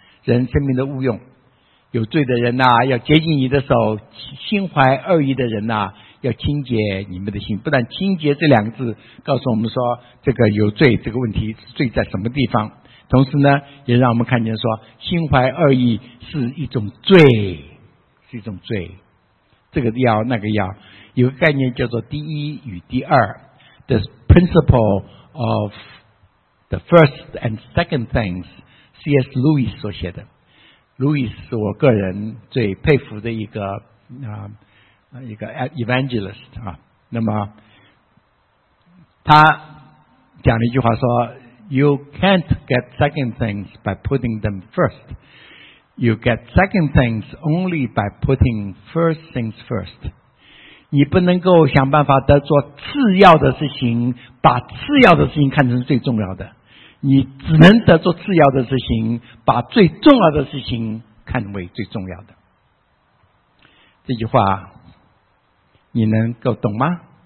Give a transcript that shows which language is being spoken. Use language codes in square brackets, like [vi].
[zh] 人生命的误用，有罪的人啊要接近你的手，心怀恶意的人啊要清洁你们的心。不但清洁这两个字告诉我们说这个有罪，这个问题是罪在什么地方，同时呢也让我们看见说心怀恶意是一种罪，是一种罪。这个要那个要，有个概念叫做第一与第二， [en] The principle of the first and second things， [zh] C.S. Lewis 所写的。 Lewis 是我个人最佩服的一个 evangelist 啊。 [en] 那么他讲了一句话说， You can't get second things by putting them first. You get second things only by putting first things first. [zh] 你不能够想办法得做次要的事情，把次要的事情看成最重要的，你只能得做次要的事情，把最重要的事情看为最重要的。这句话你能够懂吗？